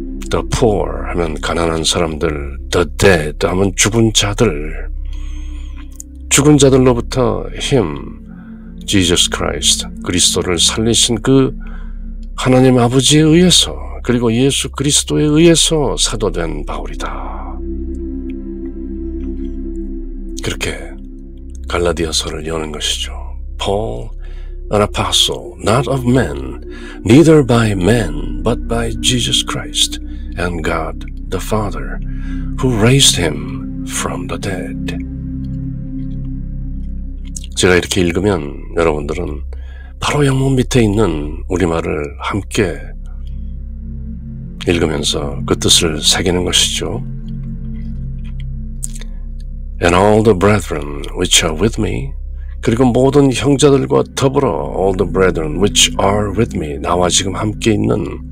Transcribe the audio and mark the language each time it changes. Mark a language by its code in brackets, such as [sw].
[ko] the poor 하면 가난한 사람들, the dead 하면 죽은 자들, 죽은 자들로부터 him, Jesus Christ, 그리스도를 살리신 그 하나님 아버지에 의해서, 그리고 예수 그리스도에 의해서 사도된 바울이다. 그렇게 갈라디아서를 여는 것이죠. [en] Paul, an apostle, not of men, neither by men, but by Jesus Christ and God the Father, who raised him from the dead. [ko] 제가 이렇게 읽으면 여러분들은 바로 영문 밑에 있는 우리말을 함께 읽으면서 그 뜻을 새기는 것이죠. [en] And all the brethren which are with me, [ko] 그리고 모든 형제들과 더불어 [en] all the brethren which are with me, [ko] 나와 지금 함께 있는